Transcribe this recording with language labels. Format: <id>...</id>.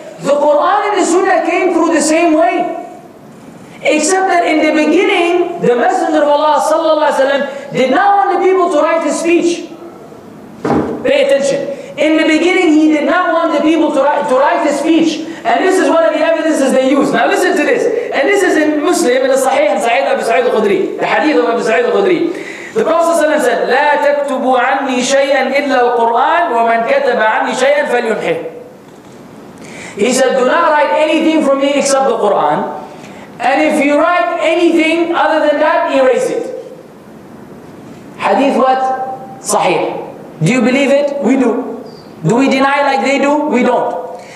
<en>The Quran and the Sunnah came through the same way. Except that in the beginning, the Messenger of Allah sallallahu alaihi wasallam did not want the people to write his speech. Pay attention. In the beginning, he did not want the people to write his speech. And this is one of the evidences they use. Now listen to this. And this is in Muslim, in the Sahih, in Sa'id Abu Sa'id al-Khudri. The hadith of Abu Sa'id al-Khudri. The Prophet ﷺ said,</en> <ar>لَا تَكْتُبُ عَنِّي شَيْئًا إِلَّا الْقُرْآنِ وَمَنْ كَتَبَ عَنِّي شَيْئًا فَلْيُنْحِهِ.</ar> <en>He said, do not write anything for me except the Qur'an. And if you write anything other than that, erase it. Hadith what? Sahih. Do you believe it? We do. Do we deny like they do? We don't.</en>